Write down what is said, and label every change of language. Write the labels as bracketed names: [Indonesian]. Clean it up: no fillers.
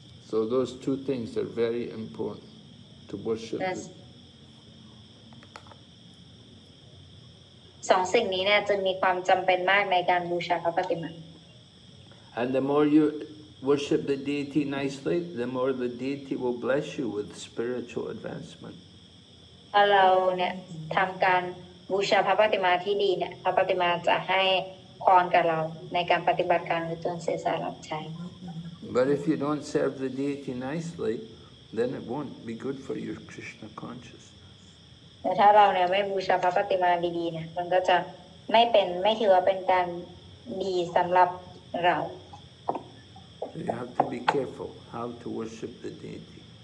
[English] So those two things are very important to worship. Yes. [Thai] สองสิ่งนี้เนี่ยจึงมีความจำเป็นมากในการบูชาพระปฏิมา [English] And the more you worship the deity nicely, the more the deity will bless you with spiritual advancement. [Thai] ถ้าเราเนี่ยทำการบูชาพระปฏิมาที่ดีเนี่ยพระปฏิมาจะให้พรกับเราในการปฏิบัติการหรือจนเสียสารับใช้ [English] But if you don't serve the deity nicely, then it won't be good for your Krishna consciousness. [Thai] แต่ถ้าเราเนี่ยไม่บูชาพระปฏิมาดีๆเนี่ยมันก็จะไม่เป็นไม่ถือว่าเป็นการดีสำหรับ [English] So you have to be careful how to worship the deity.